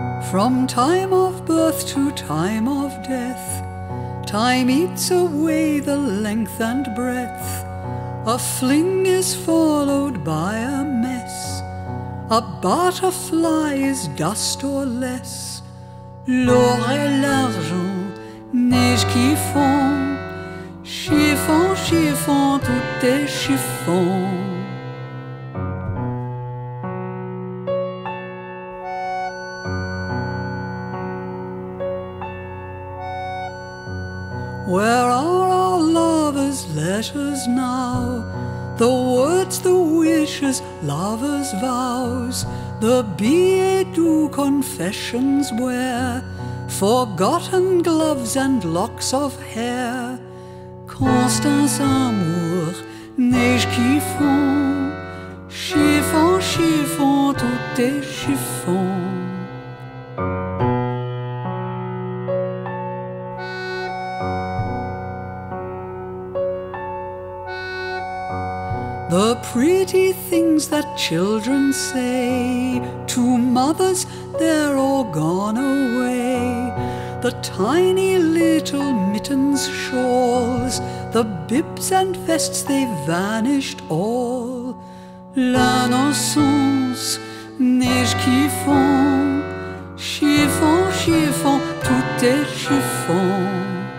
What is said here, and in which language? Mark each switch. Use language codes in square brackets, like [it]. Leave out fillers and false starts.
[en] From time of birth to time of death, time eats away the length and breadth. A fling is followed by a mess. A butterfly is dust or less. [fr] L'or et l'argent, neige qui fond, chiffon, chiffon, tout est chiffon. [en] Where are our lovers' letters now? The words, the wishes, lovers' vows, the billet doux confessions where, forgotten gloves and locks of hair. [fr] Constance amour, neige qui fond, chiffon, chiffon, tout est chiffon. [en] The pretty things that children say to mothers, they're all gone away. The tiny little mittens, shawls, the bibs and vests, they've vanished all. [fr] L'innocence, neige qui fond, chiffon, chiffon, tout est chiffon.